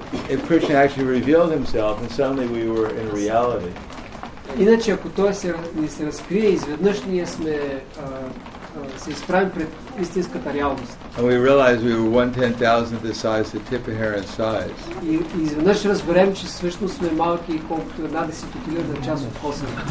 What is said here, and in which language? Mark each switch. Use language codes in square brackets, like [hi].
[en] If Krishna actually revealed himself and suddenly we were in reality. [bg] Иначе, ако той ни се разкрие, изведнъж ние сме се изправим пред истинската реалност. [en] And we realized we were 1/10,000 the size of Tipperary size. [bg] И изведнъж разберем, че всъщност сме малки колкото една десетотилядна част от Косъм.